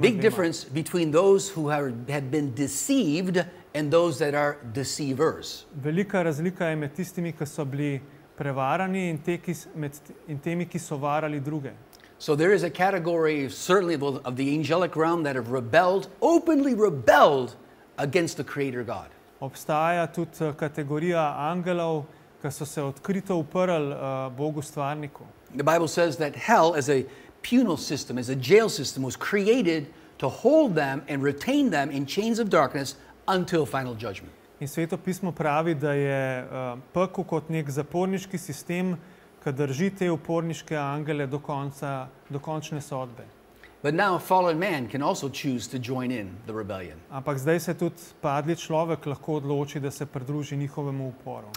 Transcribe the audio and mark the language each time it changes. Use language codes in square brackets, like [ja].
[en] Big difference between those who have been deceived and those that are deceivers. [sl] Velika razlika je med tistimi, ki so bili prevarani in temi, ki so varali druge. [en] So there is a category, certainly of the angelic realm, that have rebelled, openly rebelled against the Creator God. [sl] Obstaja tudi kategorija angelov, ki so se odkrito uprli Bogu stvarniku. [en] The Bible says that hell as a penal system, as a jail system, was created to hold them and retain them in chains of darkness until final judgment. [sl] In Sveto pismo pravi, da je pekel kot nek zaporniški sistem, ki drži te uporniške angele do konca, do končne sodbe. [en] But now a fallen man can also choose to join in the rebellion. [sl] Ampak zdaj se tudi padli človek lahko odloči, da se pridruži njihovemu uporu.